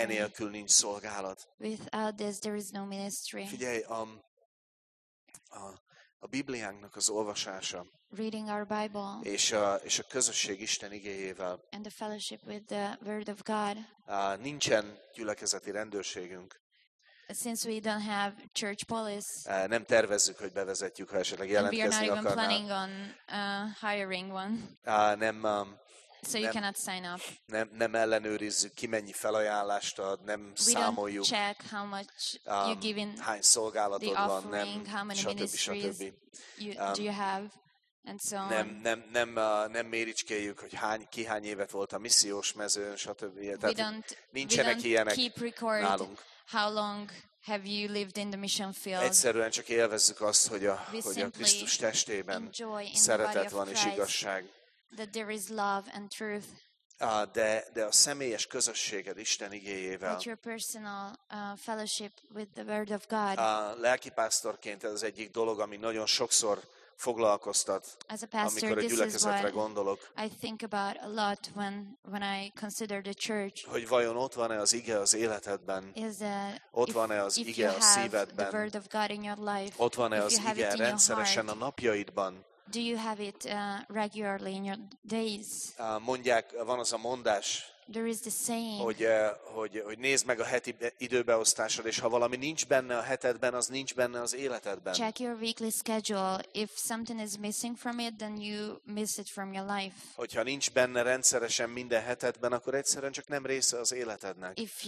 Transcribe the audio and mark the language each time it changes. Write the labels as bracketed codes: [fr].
[hu] Enélkül nincs szolgálat. [en] Without this, there is no ministry. [hu] Figyelj, a Bibliánknak az olvasása [en] reading our Bible, [hu] és a közösség Isten igéjével [en] and the fellowship with the word of God, [hu] nincsen gyülekezeti rendőrségünk. [en] Since we don't have church police, [hu] nem tervezzük, hogy bevezetjük, ha esetleg jelentkezni akarnál. [en] We are not even planning on hiring one. So you cannot sign up. [hu] Nem ellenőrizzük, ki mennyi felajánlást ad, nem [en] we [hu] számoljuk. [en] We don't check how much you give in [hu] hány szolgálatod [en] the offering, [hu] van, nem, [en] how many ministries do you have, and so on. [hu] Nem méricskéljük, hogy ki hány évet volt a missziós mezőn, stb. Nincsenek ilyenek [en] keep record [hu] nálunk. [en] How long have you lived in the mission field? [hu] Egyszerűen csak élvezzük azt, hogy a Krisztus testében szeretet van és igazság. [en] That there is love and truth. [hu] De a személyes közösséged Isten igéjével. [en] But your personal fellowship with the word of God. [hu] Lelkipásztorként ez az egyik dolog, ami nagyon sokszor foglalkoztat, [en] as a pastor, [hu] amikor a gyülekezetre gondolok. [en] I think about a lot when I consider the church. [hu] Hogy vajon ott van-e az ige az életedben? Ott van-e az ige a szívedben? [en] The word of God in your life. [hu] Ott van-e az ige rendszeresen a napjaidban? [en] Do you have it regularly in your days? [hu] Mondják, van az a mondás. [en] There is the saying. [hu] Hogy nézd meg a heti időbeosztásod, és ha valami nincs benne a hetedben, az nincs benne az életedben. [en] Check your weekly schedule. If something is missing from it, then you miss it from your life. [hu] Hogyha nincs benne rendszeresen minden hetedben, akkor egyszerűen csak nem része az életednek.